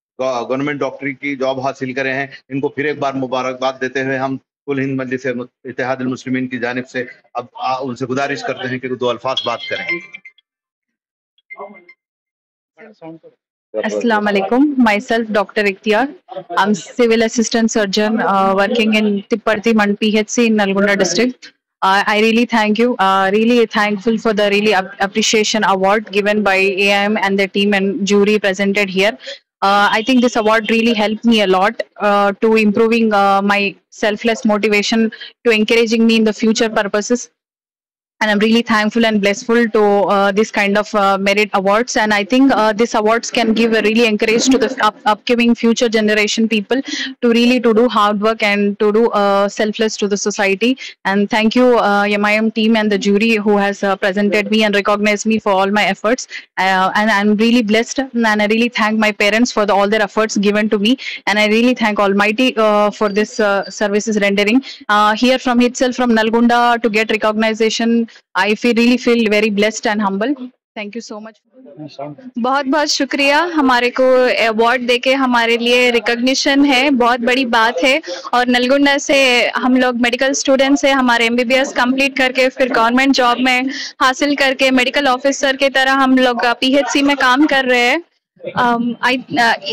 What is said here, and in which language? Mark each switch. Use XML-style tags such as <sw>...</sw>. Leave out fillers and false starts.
<hi>Government डॉक्टरी की job हासिल करे हैं, इनको फिर एक बार मुबारकबाद देते हुए हम कुल हिंद मजलिस इत्तेहाद अल मुस्लिमीन की जानिब से अब उनसे गुजारिश करते हैं कि दो अल्फाज बात करें।</hi> <en>अस्सलाम वालेकुम, myself doctor Ikhtiyar, I am civil assistant surgeon working in Tipparthi मंड PHC in Nalgonda district. I really thank you. Really thankful for the really appreciation award given by AIM and the team and jury presented here. I think this award really helped me a lot to improving my selfless motivation, to encouraging me in the future purposes. And I'm really thankful and blissful to this kind of merit awards. And I think this awards can give a really encourage to the upcoming future generation people to really to do hard work and to do selfless to the society. And thank you MIM team and the jury who has presented me and recognized me for all my efforts. And I'm really blessed and I really thank my parents for all their efforts given to me. And I really thank Almighty for this services rendering. Here from itself, from Nalgunda to get recognition, I feel really feel very blessed and humble. Thank you so much,</en> <hi>बहुत बहुत शुक्रिया हमारे को award देके, हमारे लिए recognition है, बहुत बड़ी बात है। और नलगुंडा से हम लोग मेडिकल स्टूडेंट से हमारे MBBS कंप्लीट करके फिर गवर्नमेंट जॉब में हासिल करके मेडिकल ऑफिसर के तरह हम लोग PHC में काम कर रहे हैं।</hi>